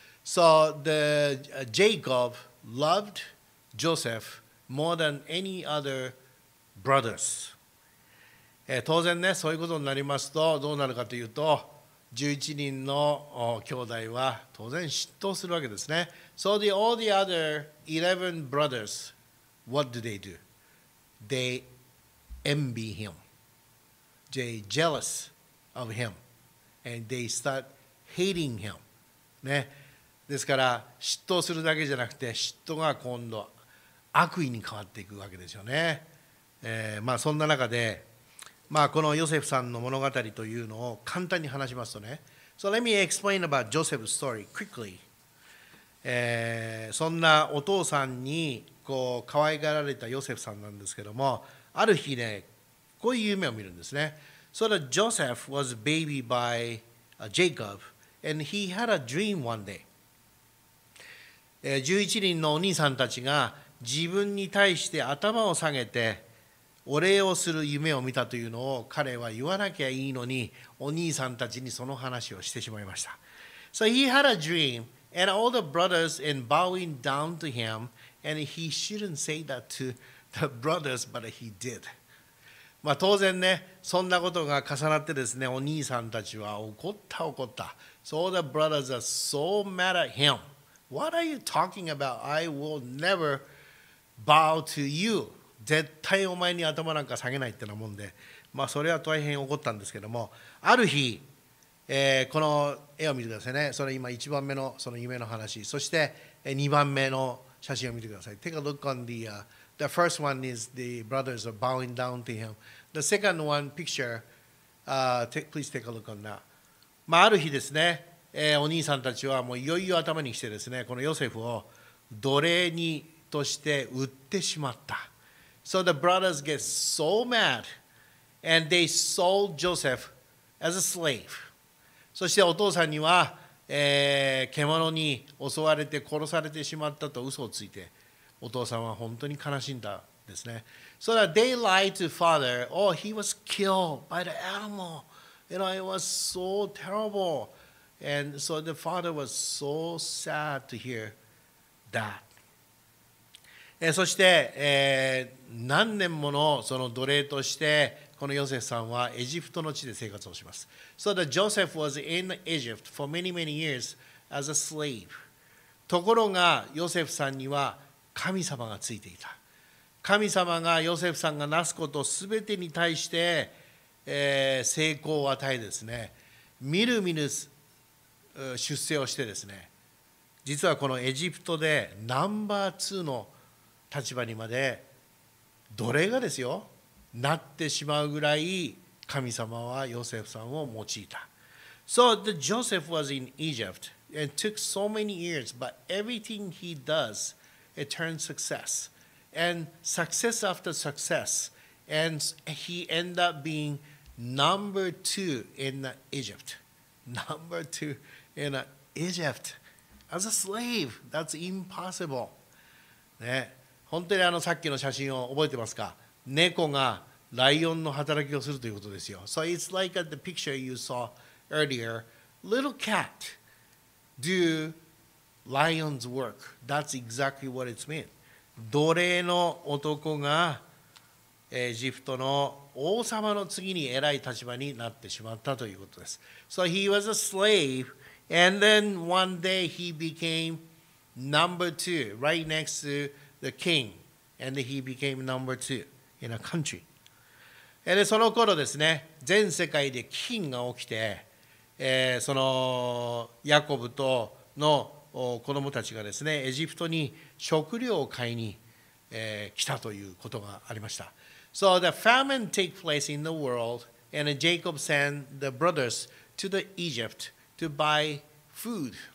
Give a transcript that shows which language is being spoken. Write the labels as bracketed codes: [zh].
[en] So the Jacob loved Joseph. More than any other brothers. [ja] 当然ね、そういうことになりますとどうなるかというと、 11人の兄弟は当然嫉妬するわけですね。 [en] So the, all the other 11 brothers, what do? They envy him. They jealous of him. And they start hating him.、 [ja] ね、ですから嫉妬するだけじゃなくて嫉妬が今度悪意に変わっていくわけですよね。まあ、そんな中で、まあ、このヨセフさんの物語というのを簡単に話しますとね。 [en] So let me explain about Joseph's story quickly. [ja] そんなお父さんにこう可愛がられたヨセフさんなんですけども、ある日ね、こういう夢を見るんですね。 [en] So that Joseph was baby by Jacob, and he had a dream one day. [ja] 11人のお兄さんたちが自分に対して頭を下げて、お礼をする夢を見たというのを彼は言わなきゃいいのに、お兄さんたちにその話をしてしまいました。 [en] So he had a dream, and all the brothers in bowing down to him, and he shouldn't say that to the brothers, but he did. [ja] まあ当然ね、そんなことが重なってですね、お兄さんたちは怒った。 [en] So the brothers are so mad at him. What are you talking about? I will never bow to you. [ja] 絶対お前に頭なんか下げないってなもんで、まあ、それは大変怒ったんですけども、ある日、この絵を見てくださいね。それ今1番目 の, その夢の話、そして2番目の写真を見てください。 [en] Take a look on the, the first one is the brothers are bowing down to him. The second one picture, please take a look on that. [ja] まあ、ある日ですね、お兄さんたちはもういよいよ頭にしてですね、このヨセフを奴隷にとして売ってしまった。 [en] So the brothers get so mad and they sold Joseph as a slave. [ja] そしてお父さんには、獣に襲われて殺されてしまったと嘘をついて、お父さんは本当に悲しんだですね。 [en] So that they lied to father, oh, he was killed by the animal. You know, it was so terrible. And so the father was so sad to hear that. [ja] そして、何年ものその奴隷としてこのヨセフさんはエジプトの地で生活をします。 [en] So that Joseph was in Egypt for many, many years as a slave. [ja] ところがヨセフさんには神様がついていた。神様がヨセフさんがなすことすべてに対して、成功を与えですね、みるみる出世をしてですね、実はこのエジプトでナンバー2の立場にまで奴隷がですよなってしまうぐらい神様はヨセフさんを用いた。 [en] So the Joseph was in Egypt and took so many years, but everything he does it turns success and success after success, and he end up being number two in Egypt, number two in Egypt as a slave. That's impossible. [ja] ね、本当にあのさっきの写真を覚えてますか？猫がライオンの働きをするということですよ。 [en] So it's like the picture you saw earlier. Little cat do lion's work. That's exactly what it's mean. [ja] 奴隷の男がエジプトの王様の次に偉い立場になってしまったということです。 [en] So he was a slave and then one day he became number two right next to the king, and he became number two in a country. [ja] And その頃ですね、全世界で飢饉が起きて、そのヤコブとの子供たちがですね、エジプトに食料を買いに、来たということがありました。 [en] So the famine take place in the world, and Jacob sent the brothers to the Egypt to buy food.